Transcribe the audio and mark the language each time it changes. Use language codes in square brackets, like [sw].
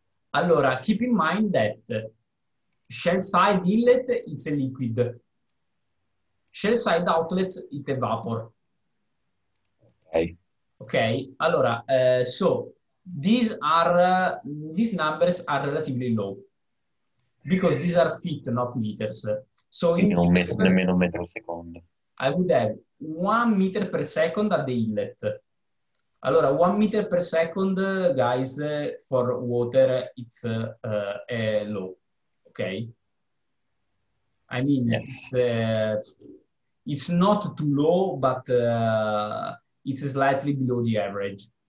[en] Allora, keep in mind that shell side inlet is a liquid. Shell side outlet is a vapor. Okay. Okay, allora, so these are, these numbers are relatively low. Because these are feet, not meters. So [it] in non metro, nemmeno un metro al secondo. [en] I would have 1 meter per second at the inlet. Allora, 1 meter per second, guys, for water, it's low. Okay? I mean, yes. It's not too low, but it's slightly below the average.